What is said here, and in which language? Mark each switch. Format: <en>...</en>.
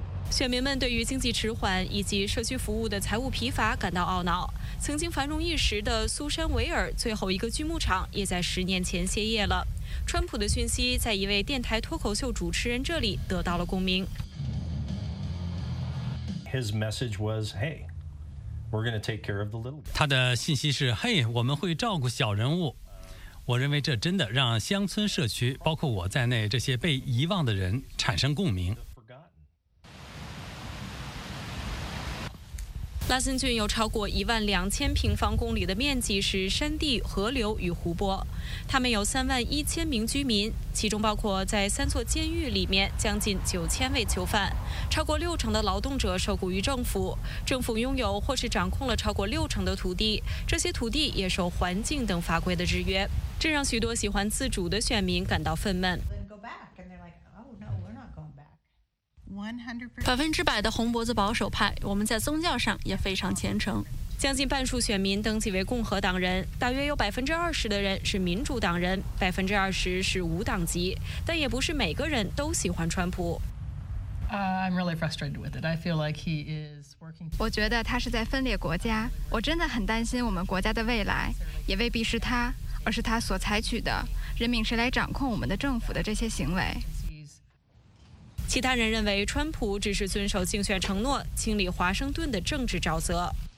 <zh>选民们对于经济迟缓以及社区服务的财务疲乏感到懊恼。曾经繁荣一时的苏珊·维尔最后一个锯木厂也在10年前歇业了。川普的讯息在一位电台脱口秀主持人这里得到了共鸣。</zh> <en>His message was, "Hey, we're going to take care of the little guy."</en> <zh>他的信息是：“嘿，我们会照顾小人物。” 我认为这真的让乡村社区，包括我在内这些被遗忘的人产生共鸣。拉森郡有超过12000平方公里的面积是山地、河流与湖泊，他们有31000名居民，其中包括在3座监狱里面将近9000位囚犯，超过60%的劳动者受雇于政府，政府拥有或是掌控了超过60%的土地，这些土地也受环境等法规的制约，这让许多喜欢自主的选民感到愤懑。 100%的红脖子保守派，我们在宗教上也非常虔诚。将近半数选民登记为共和党人，大约有20%的人是民主党人，20%是无党籍。但也不是每个人都喜欢川普。</zh> <en>I'm really frustrated with it. I feel like he is working.</en> <zh>我觉得他是在分裂国家。我真的很担心我们国家的未来，也未必是他，而是他所采取的人民谁来掌控我们的政府的这些行为。其他人认为川普只是遵守竞选承诺，清理华盛顿的政治沼泽。</zh>